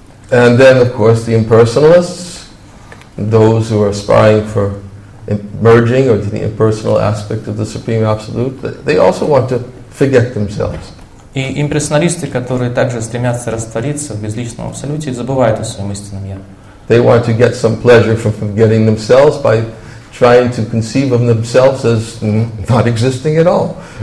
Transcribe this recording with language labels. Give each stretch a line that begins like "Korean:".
English: And then, of course, the impersonalists, those who are aspiring for merging or the impersonal aspect of the Supreme Absolute, they also want to forget themselves.
Russian: И имперсоналисты, которые также стремятся раствориться в безличном абсолюте, забывают о своем истинном «я».
English: They want to get some pleasure from forgetting themselves by trying to conceive of themselves as not existing at all.